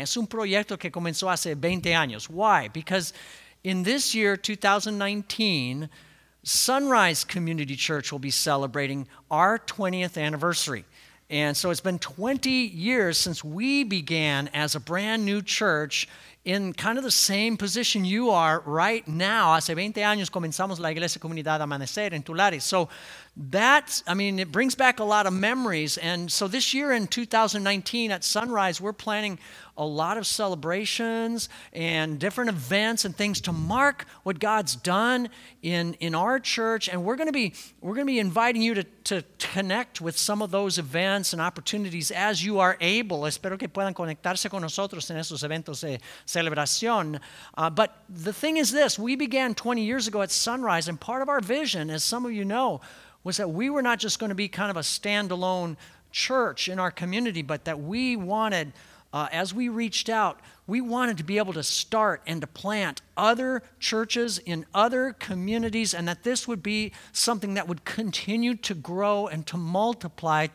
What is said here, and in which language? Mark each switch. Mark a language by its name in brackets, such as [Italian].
[Spanish] Es un proyecto que comenzó hace 20 años. [English] Why? Because in this year, 2019, Sunrise Community Church will be celebrating our 20th anniversary. And so it's been 20 years since we began as a brand new church in kind of the same position you are right now. [Spanish] Hace 20 años comenzamos la Iglesia Comunidad Amanecer en Tulare. [English] So it brings back a lot of memories. And so this year in 2019 at Sunrise, we're planning a lot of celebrations and different events and things to mark what God's done in our church. And we're going to be inviting you to connect with some of those events and opportunities as you are able. [Spanish] Espero que puedan conectarse con nosotros en esos eventos de celebración. [English] But the thing is this, we began 20 years ago at Sunrise, and part of our vision, as some of you know, was that we were not just going to be kind of a standalone church in our community, but that we wanted, as we reached out, we wanted to be able to start and to plant other churches in other communities, and that this would be something that would continue to grow and to multiply.